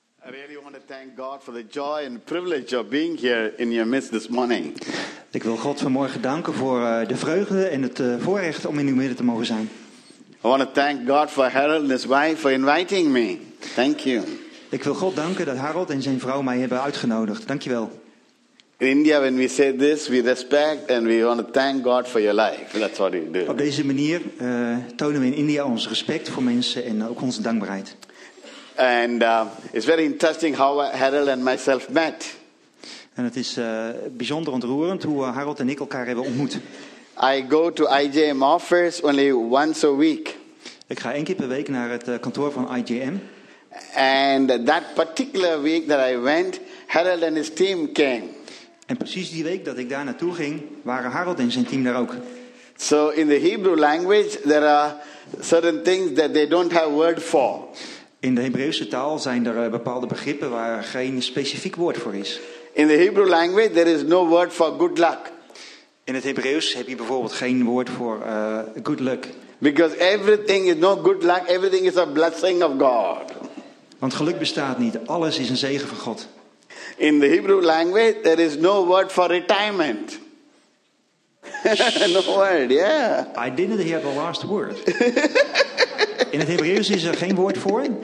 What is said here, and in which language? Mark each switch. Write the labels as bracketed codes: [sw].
[en] really want to thank God for the joy and privilege of being here in your midst this morning. [nl] Ik wil God vanmorgen danken voor de vreugde en het voorrecht om in uw midden te mogen zijn. [en] I want to thank God for Harold and his wife for inviting me. Thank you. [nl] Ik wil God danken dat Harold en zijn vrouw mij hebben uitgenodigd. Dankjewel. [en] In India, when we say this, we respect and we want to thank God for your life. That's what we do. [nl] Op deze manier tonen we in India ons respect voor mensen en ook onze dankbaarheid. [en] And it's very interesting how Harold and myself met. [nl] En het is bijzonder ontroerend hoe Harold en ik elkaar hebben ontmoet. [en] I go to IJM office only once a week. [nl] Ik ga één keer per week naar het kantoor van IJM. [en] And that particular week that I went, Harold and his team came. [nl] En precies die week dat ik daar naartoe ging, waren Harold en zijn team daar ook. [en] So in the Hebrew language there are certain things that they don't have word for. [nl] In de Hebreeuwse taal zijn er bepaalde begrippen waar geen specifiek woord voor is. [en] In the Hebrew language there is no word for good luck. [nl] In het Hebreeuws heb je bijvoorbeeld geen woord voor good luck. [en] Because everything is no good luck, everything is a blessing of God. [nl] Want geluk bestaat niet, alles is een zegen van God. [en] In the Hebrew language there is no word for retirement. No word, yeah. I didn't hear the last word. [nl] In het Hebreeuws is er geen woord voor.